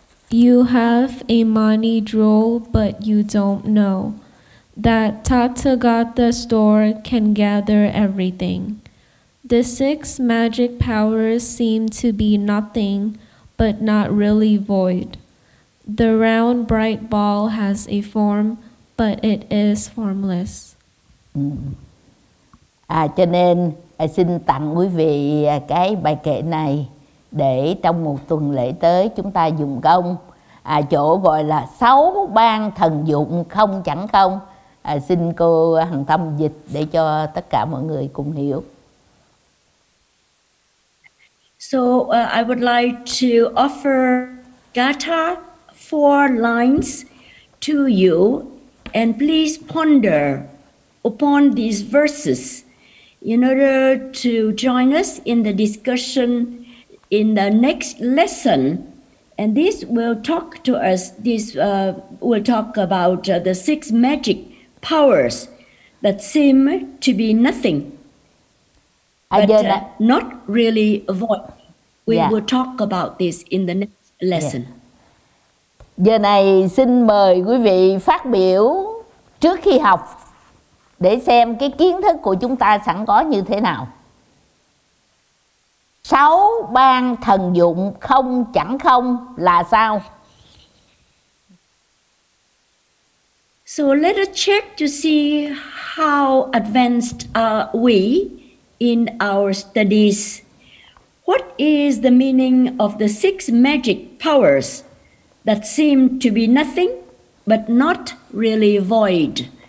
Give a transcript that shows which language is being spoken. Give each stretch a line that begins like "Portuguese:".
English: You have a money drawer, but you don't know that Tathagata store can gather everything. The six magic powers seem to be nothing, but not really void. The round bright ball has a form, but it is formless.
Vietnamese: Cho nên xin tặng quý vị cái bài kệ này để trong một tuần lễ tới chúng ta dùng công chỗ gọi là sáu ban thần dụng không chẳng không. Xin cô Hằng Tâm dịch để cho tất cả mọi người cùng hiểu.
English: So I would like to offer gatha four lines to you, and please ponder upon these verses in order to join us in the discussion in the next lesson. And this will talk to us, this will talk about the six magic powers that seem to be nothing, but not really a void. We will talk about this in the next lesson. Yeah.
Vietnamese: Giờ này xin mời quý vị phát biểu trước khi học để xem cái kiến thức của chúng ta sẵn có như thế nào. Sáu ban thần dụng không chẳng không là sao?
English: So let us check to see how advanced are we in our studies. What is the meaning of the six magic powers that seem to be nothing but not really void?